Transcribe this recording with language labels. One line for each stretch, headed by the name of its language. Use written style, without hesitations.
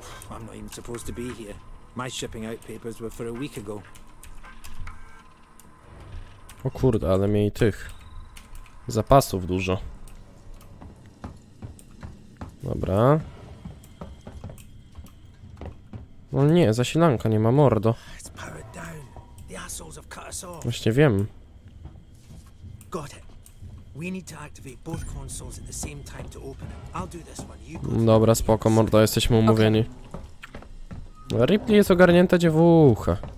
English: I'm not even supposed to be here. My shipping out papers were for a week ago.
Polish: O kurde, ale mniej tych zapasów dużo. Dobra. No nie, zasilanka nie ma, mordo.
English: It's powered down. The assholes have cut us off.
Polish: Właśnie wiem.
English: Got it. We need to activate both consoles at the same time to open it. I'll do this one. You go.
Polish: Dobra, spoko, mordo, jesteśmy umówieni. Okay. Ripley jest ogarnięta dziewucha.